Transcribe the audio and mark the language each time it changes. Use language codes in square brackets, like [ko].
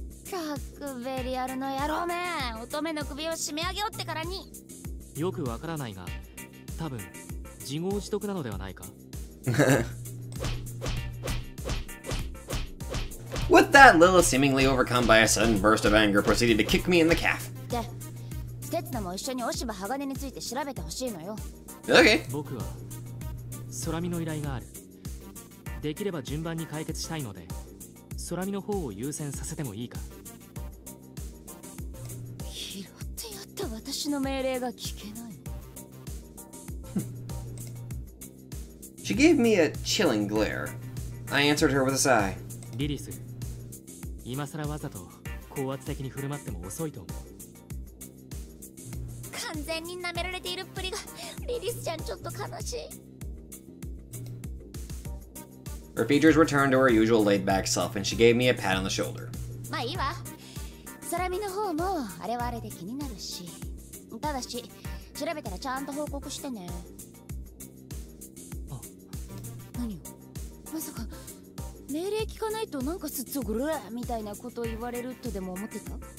[ja] たくベリアルの野郎め、乙女の首を締め上げよってからに。よくわからないが、多分自業自得なのではないか。 [en] With that, Lilith, seemingly overcome by a sudden burst of anger, proceeded to kick me in the calf. [ja] で、鉄野も一緒に押し葉鋼について調べてほしいのよ。 [en] Okay. [ja] 僕は、空見の依頼がある。できれば順番に解決したいので、空見の方を優先させてもいいか。拾ってやった私の命令が聞けない。 [en] She gave me a chilling glare. I answered her with a sigh. [ja] リリス。今更わざと高圧的に振る舞っても遅いと思う。完全に舐められているっぷりが、リリスちゃんちょっと悲しい。 [en] Her features returned to her usual laid-back self, and she gave me a pat on the shoulder. [ja] まあいいわ。サラミの方もあれはあれで気になるし、ただし調べたらちゃんと報告してね。あ、何を？まさか命令聞かないとなんかすっつぐるみたいなこと言われるとでも思ってた？